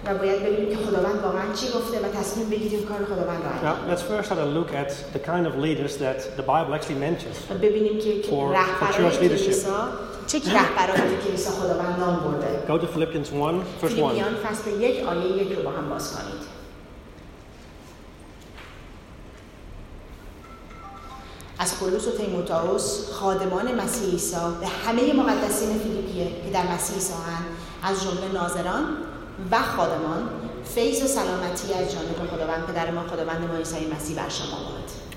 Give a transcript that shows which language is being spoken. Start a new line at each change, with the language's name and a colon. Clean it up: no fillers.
Persian: و باید ببینیم که خداوند واقعا چی گفته و تصمیم بگیریم کار خداوند رو انجام بدیم.
English: Let's first have a look at the kind of leaders that the Bible actually mentions.
Persian: ببینیم که رهبرای کلیسا چکی رهبرای کلیسا خداوند نام برده.
English: Go to Philippians 1, verse 1.
Persian: فیلیپیان فصل 1 آیه 1 رو با هم باز کنید. از پولس و تیموتائوس خادمان مسیح عیسی به همه مقدسین فیلیپیه که در مسیح عیسی هستند، از جمله ناظران و خادمان، فیض و سلامتی از جانب خداوند پدر ما خداوند ما عیسی مسیح بر شما باد.